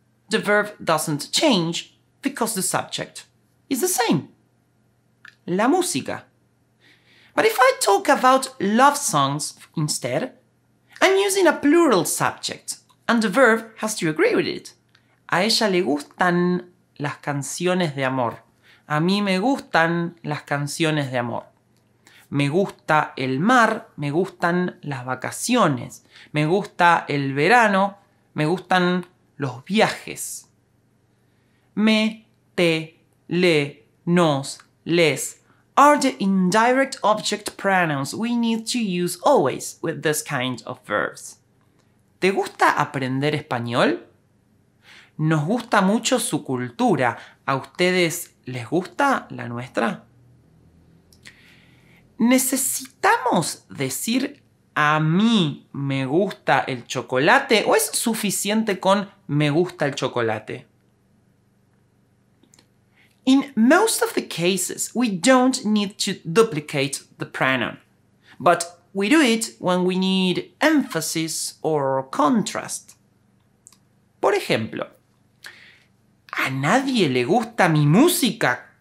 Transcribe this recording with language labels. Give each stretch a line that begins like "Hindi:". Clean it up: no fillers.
English: The verb doesn't change because the subject is the same.
Spanish: La música.
English: But if I talk about love songs instead, I'm using a plural subject, and the verb has to agree with it.
Spanish: A ella le gustan las canciones de amor. A mí me gustan las canciones de amor. Me gusta el mar, me gustan las vacaciones. Me gusta el verano, me gustan los viajes.
English: Me, te, le, nos, les are the indirect object pronouns we need to use always with this kind of verbs.
Spanish: ¿Te gusta aprender español? Nos gusta mucho su cultura. ¿A ustedes les gusta la nuestra? ¿Necesitamos decir a mí me gusta el chocolate o es suficiente con me gusta el chocolate?
English: In most of the cases, we don't need to duplicate the pronoun, but we do it when we need emphasis or contrast.
Spanish: Por ejemplo, ¿a nadie le gusta mi música?